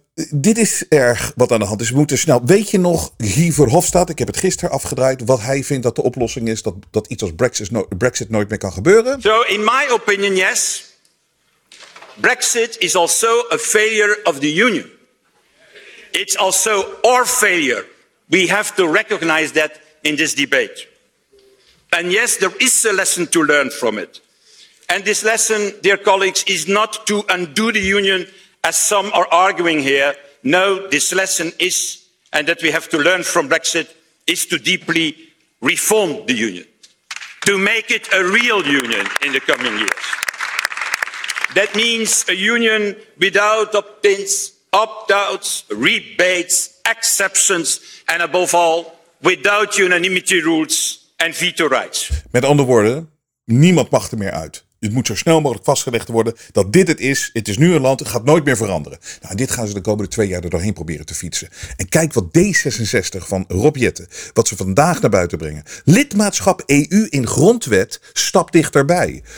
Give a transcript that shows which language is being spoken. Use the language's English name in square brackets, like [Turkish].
[Dutch] Dit is erg wat aan de hand is. We moeten snel. Weet je nog, Guy Verhofstadt, ik heb het gisteren afgedraaid, wat hij vindt dat de oplossing is dat iets als Brexit nooit meer kan gebeuren? [English] So in my opinion, yes. Brexit is also a failure of the Union. It's also our failure. We have to recognize that in this debate. And yes, there is a lesson to learn from it. And this lesson, dear colleagues, is not to undo the Union as some are arguing here. No, this lesson is, and that we have to learn from Brexit, is to deeply reform the Union, to make it a real Union in the coming years. That means a Union without opt-ins, opt-outs, rebates, exceptions, and above all, without unanimity rules and veto rights. [Dutch] Met andere woorden, niemand mag er meer uit. Het moet zo snel mogelijk vastgelegd worden dat dit het is. Het is nu een land, het gaat nooit meer veranderen. Nou, dit gaan ze de komende 2 jaar er doorheen proberen te fietsen. En kijk wat D66 van Rob Jetten, wat ze vandaag naar buiten brengen. Lidmaatschap EU in grondwet, stap dichterbij.